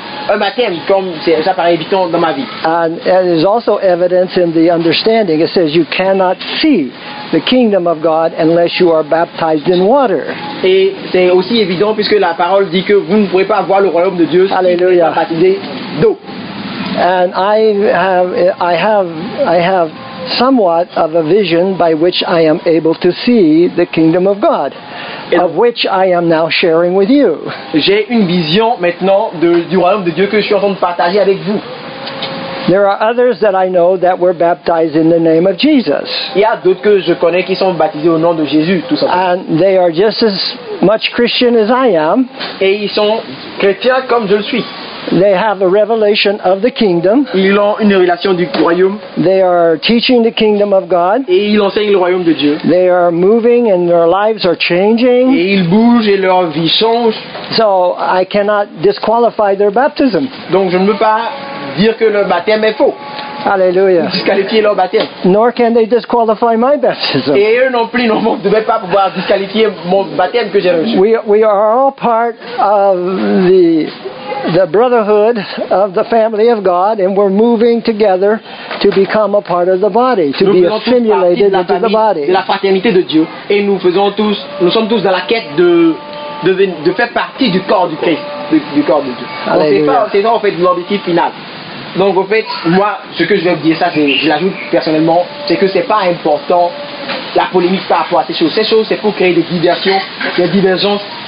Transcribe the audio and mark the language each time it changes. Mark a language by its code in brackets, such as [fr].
[fr] Un baptême, comme ça paraît évident dans ma vie. [en] And it is also evidence in the understanding. It says you cannot see the kingdom of God unless you are baptized in water. [fr] Et c'est aussi évident puisque la parole dit que vous ne pourrez pas voir le royaume de Dieu si vous n'êtes pas baptisé d'eau. [en] And I have somewhat of a vision by which I am able to see the kingdom of God. [fr] Donc, [en] of which I am now sharing with you. [fr] J'ai une vision maintenant du royaume de Dieu que je suis en train de partager avec vous. [en] There are others that I know that were baptized in the name of Jesus. [fr] Il y a d'autres que je connais qui sont baptisés au nom de Jésus, tout simplement. [en] And they are just as much Christian as I am. [fr] Et ils sont chrétiens comme je le suis. [en] They have a revelation of the kingdom. [fr] Ils ont une révélation du royaume. [en] They are teaching the kingdom of God. [fr] Et ils enseignent le royaume de Dieu. [en] They are moving and their lives are changing. [fr] Et ils bougent et leur vie change. [en] So I cannot disqualify their baptism. [fr] Donc je ne peux pas dire que leur baptême est faux. Alléluia. Disqualifier leur baptême. [en] Nor can they disqualify my baptism. [fr] Et eux non plus, non, ne devaient pas pouvoir disqualifier mon baptême que j'ai reçu. [en] We are all part of the brotherhood of the family of God, and we're moving together to become a part of the body, to [fr] nous [en] be assimilated into the body. [fr] De la fraternité de Dieu, et nous sommes tous dans la quête de faire partie du corps du Christ, du corps de Dieu. C'est ça en fait l'objectif final. Donc en fait, moi, ce que je vais vous dire, ça, c'est, je l'ajoute personnellement, c'est que c'est pas important la polémique par rapport à ces choses. Ces choses, c'est pour créer des diversions, des divergences.